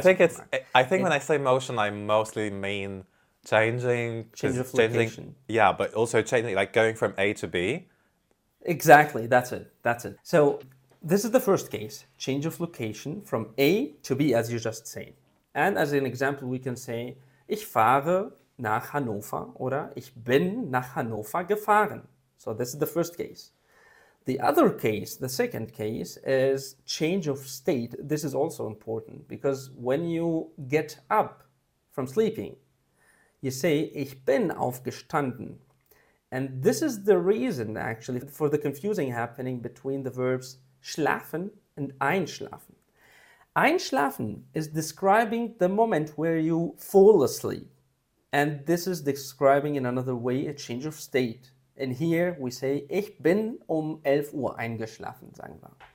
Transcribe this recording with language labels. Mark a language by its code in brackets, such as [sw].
[en] supermarket. When I say motion, I mostly mean changing of location. Yeah, but also changing, like going from A to B. Exactly, that's it. So this is the first case, change of location from A to B, as you just said. And as an example, we can say, [de] ich fahre nach Hannover, oder ich bin nach Hannover gefahren. [en] So this is the first case. The other case, the second case, is change of state. This is also important because when you get up from sleeping, you say, [de] ich bin aufgestanden. [en] And this is the reason, actually, for the confusing happening between the verbs schlafen and einschlafen. Einschlafen is describing the moment where you fall asleep. And this is describing, in another way, a change of state. And here we say, [de] ich bin um 11 Uhr eingeschlafen, sagen wir.